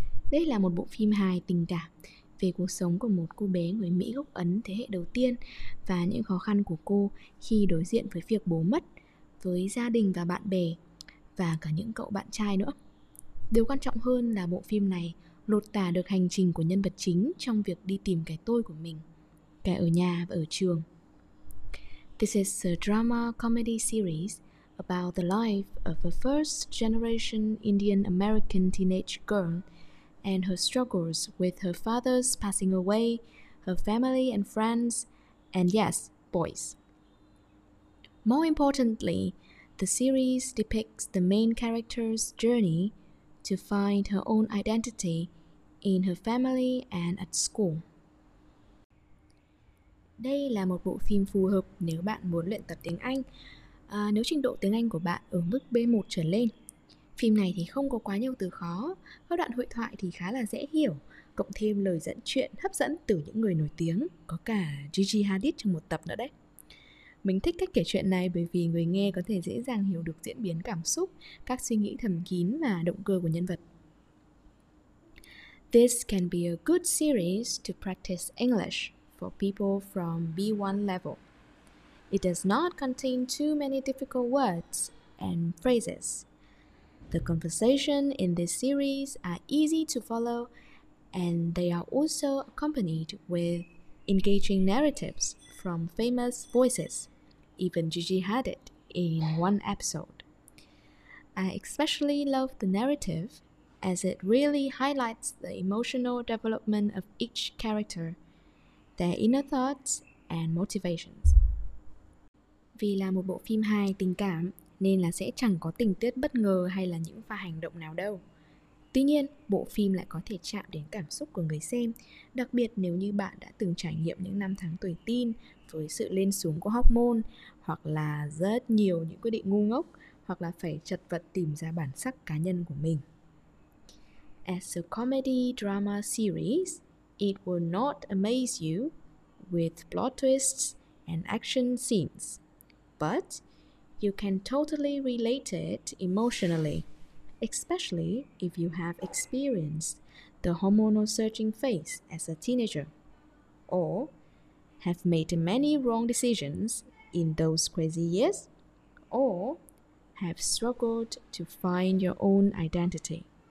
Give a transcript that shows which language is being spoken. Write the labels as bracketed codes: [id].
[vi] Đây là một bộ phim hài tình cảm về cuộc sống của một cô bé người Mỹ gốc Ấn thế hệ đầu tiên và những khó khăn của cô khi đối diện với việc bố mất, với gia đình và bạn bè, và cả những cậu bạn trai nữa. Điều quan trọng hơn là bộ phim này lột tả được hành trình của nhân vật chính trong việc đi tìm cái tôi của mình, cả ở nhà và ở trường. [en] This is a drama comedy series about the life of a first generation Indian American teenage girl and her struggles with her father's passing away, her family and friends, and yes, boys. More importantly, the series depicts the main character's journey to find her own identity in her family and at school. [vi] Đây là một bộ phim phù hợp nếu bạn muốn luyện tập tiếng Anh, nếu trình độ tiếng Anh của bạn ở mức B1 trở lên. Phim này thì không có quá nhiều từ khó, các đoạn hội thoại thì khá là dễ hiểu, cộng thêm lời dẫn chuyện hấp dẫn từ những người nổi tiếng, có cả Gigi Hadid trong một tập nữa đấy. Mình thích cách kể chuyện này bởi vì người nghe có thể dễ dàng hiểu được diễn biến cảm xúc, các suy nghĩ thầm kín và động cơ của nhân vật. [en] This can be a good series to practice English for people from B1 level. It does not contain too many difficult words and phrases. The conversation in this series are easy to follow and they are also accompanied with engaging narratives from famous voices, even Gigi Hadid in one episode. I especially love the narrative as it really highlights the emotional development of each character, their inner thoughts and motivations. [vi] Vì là một bộ phim hài tình cảm, nên là sẽ chẳng có tình tiết bất ngờ hay là những pha hành động nào đâu. Tuy nhiên, bộ phim lại có thể chạm đến cảm xúc của người xem, đặc biệt nếu như bạn đã từng trải nghiệm những năm tháng tuổi teen với sự lên xuống của hormone, hoặc là rất nhiều những quyết định ngu ngốc, hoặc là phải chật vật tìm ra bản sắc cá nhân của mình. [en] As a comedy drama series, it will not amaze you with plot twists and action scenes, but you can totally relate it emotionally, especially if you have experienced the hormonal surging phase as a teenager, or have made many wrong decisions in those crazy years, or have struggled to find your own identity.